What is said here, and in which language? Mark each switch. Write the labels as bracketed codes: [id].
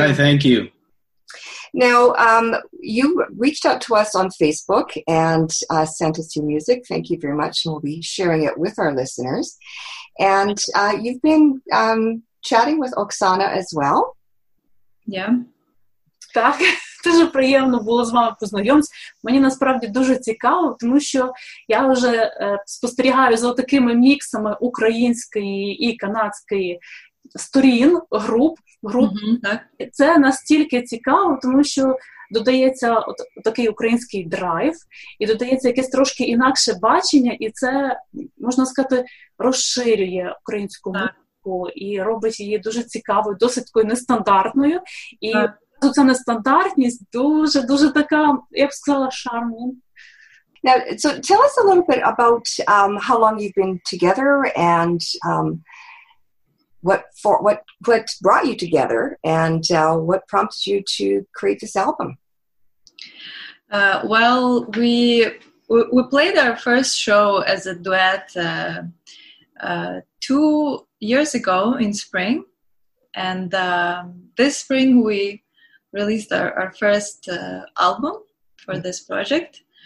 [en] Hi, thank you. Now, you reached out to us on Facebook and sent us your music. Thank you very much, and we'll be sharing it with our listeners. And you've been chatting with Oksana as well. Yeah. [uk] Так, дуже приємно було з вами познайомитися. Мені насправді дуже цікаво, тому що я вже спостерігаю за такими міксами української і канадської сторін, груп. Це настільки цікаво, тому що додається такий український драйв, і додається якесь трошки інакше бачення, і це, можна сказати, розширює українську музику і робить її дуже цікавою, досить такою нестандартною. І тут ця нестандартність дуже-дуже така, я б сказала, шармна. [en] Now, so tell us a little bit about how long you've been together and what brought you together, and what prompted you to create this album? Well, we played our first show as a duet 2 years ago in spring, and this spring we released our first album for this project.